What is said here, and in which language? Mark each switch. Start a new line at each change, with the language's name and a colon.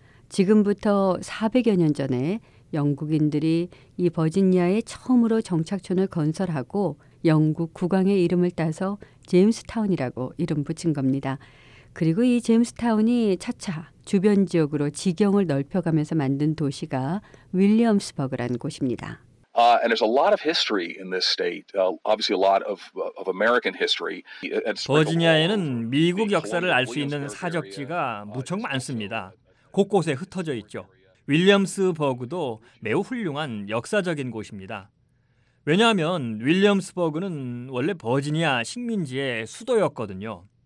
Korean: 지금부터 400여 년 전에 영국인들이 이 버지니아에 처음으로 정착촌을 건설하고 영국 국왕의 이름을 따서 제임스타운이라고 이름 붙인 겁니다. 그리고 이 제임스타운이 차차 주변 지역으로 지경을 넓혀가면서 만든 도시가 윌리엄스버그라는 곳입니다.
English: And there's a lot of history in this state. Obviously, a lot of American history.
Korean: 버지니아에는 미국 역사를 알 수 있는 사적지가 무척 많습니다. 곳곳에 흩어져 있죠. 윌리엄스버그도 매우 훌륭한 역사적인 곳입니다. 왜냐하면 윌리엄스버그는 원래 버지니아 식민지의 수도였거든요.